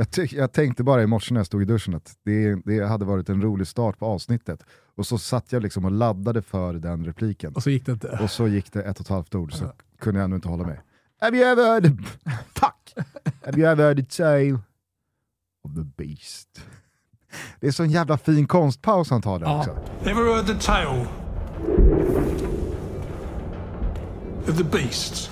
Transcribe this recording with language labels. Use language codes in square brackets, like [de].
[sv] Jag tänkte bara i morse när jag stod i duschen att det hade varit en rolig start på avsnittet. Och så satt jag liksom och laddade för den repliken. Och så gick det inte. Och så gick det ett och ett halvt ord, så kunde jag ändå inte hålla med. [en] Have you ever heard it? Fuck! Have you ever heard it say the beast? [sv] Det är så en jävla fin konstpaus han tar där också. [en] Ever heard the tale of the beast?